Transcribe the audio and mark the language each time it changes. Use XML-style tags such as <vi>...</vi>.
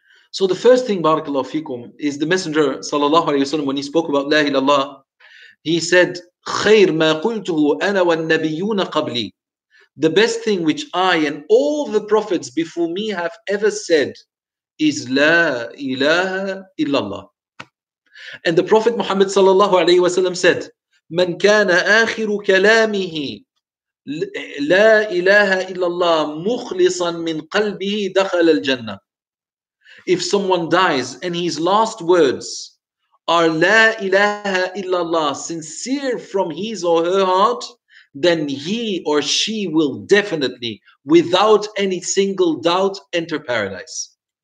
<en>So the first thing, barakallahu fikum, is the Messenger, sallallahu alayhi wasallam, when he spoke about la ilallah, he said,</en> <ar>خير ما قلته أنا والنبيون قبلي.</ar> <en>The best thing which I and all the prophets before me have ever said is La ilaha illallah. And the Prophet Muhammad sallallahu alayhi wa sallam said,</en> <ar>من كان آخر كلامه لا إله إلا الله مخلصا من قلبه دخل الجنة.</ar> <en>If someone dies and his last words are La ilaha illallah, sincere from his or her heart, then he or she will definitely, without any single doubt, enter paradise.</en>